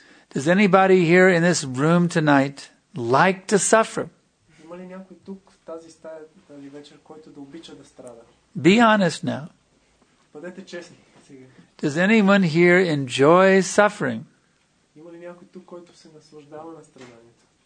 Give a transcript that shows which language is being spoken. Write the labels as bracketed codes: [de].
[en] Does anybody here in this room tonight like to suffer? [bg] Има ли някой тук в тази стая, тази вечер, който да обича да страда? [en] Be honest now. [bg] Бъдете честни сега. [en] Does anyone here enjoy suffering? [bg] Има ли някой тук, който се наслаждава на страданието?